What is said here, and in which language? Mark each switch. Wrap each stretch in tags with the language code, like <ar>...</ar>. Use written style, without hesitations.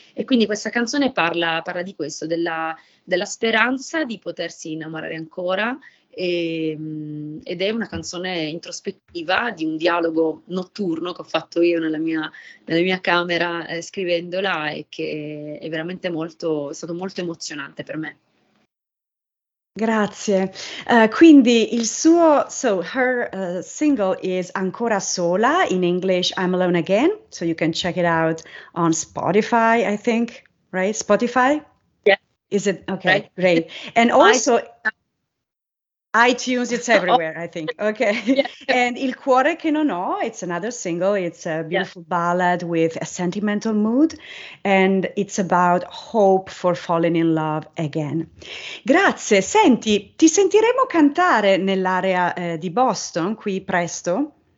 <it>E quindi questa canzone parla di questo, della speranza di potersi innamorare ancora, ed è una canzone introspettiva di un dialogo notturno che ho fatto io nella mia camera scrivendola, e che è veramente molto, è stato molto emozionante per me. Grazie. Quindi il suo,</it> <en>single is Ancora Sola, in English I'm Alone Again, so you can check it out on Spotify, I think, right? Spotify? Yeah. Is it? Okay, right. Great. And also iTunes, it's everywhere, I think. Okay. Yeah. And Il Cuore Che Non Ho, it's another single, it's a beautiful ballad with a sentimental mood, and it's about hope for falling in love again.</en> <it>Grazie, senti, ti sentiremo cantare nell'area di Boston qui presto?</it>